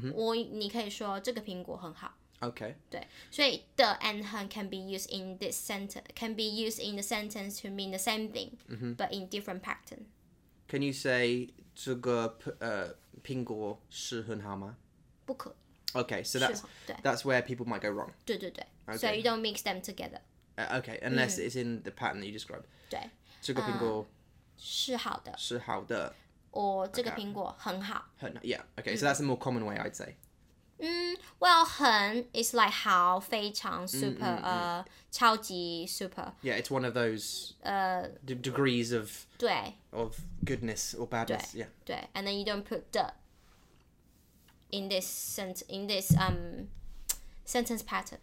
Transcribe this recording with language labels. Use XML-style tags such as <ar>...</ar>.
<zh>这个苹果是好的。你可以说这个苹果很好。</zh> <en>Okay. 对,所以的 and 很 can be used in this sentence, can be used in the sentence to mean the same thing, but in different pattern. Can you say</en> <zh>这个苹果是很好吗? 不可以。</zh> <en>Okay, so that's where people might go wrong.</en> <zh>对对对。</zh> <en>So you don't mix them together. Okay, unless it's in the pattern that you described.</en> <zh>对。这个苹果是好的。是好的。</zh> <en>Or</en> <zh>这个苹果很好</zh> <en>Yeah, okay, so that's the more common way, I'd say. Well, 很 is like 好, 非常, super, 超级, super. Yeah, it's one of those degrees of</en> <zh>对,</zh> <en>of goodness or badness.</en> <zh>对,</zh> <en>yeah.</en> <zh>对,</zh> <en>and then you don't put the in this sentence, in this sentence pattern.</en>